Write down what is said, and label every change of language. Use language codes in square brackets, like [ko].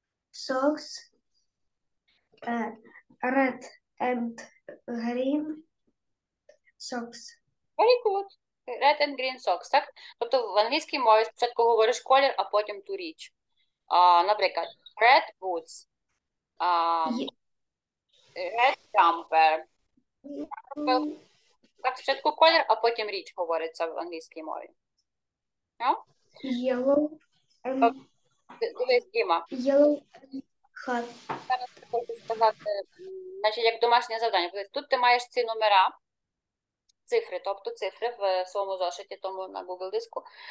[en] Socks, red and green socks. Very good. Red and green socks, так? [uk] Тобто в англійській мові спочатку говориш колір, а потім ту річ. [en] Наприклад, red boots, red jumper. [uk] Так, спочатку колір, а потім річ говориться в англійській мові. [en] No? Yellow [uk] Дивись, Діма. [en] Yellow hat. [uk] Зараз я хочу сказати, значить, як домашнє завдання. Тут ти маєш ці номера, цифри, тобто цифри в своєму зошиті, тому на Google диску.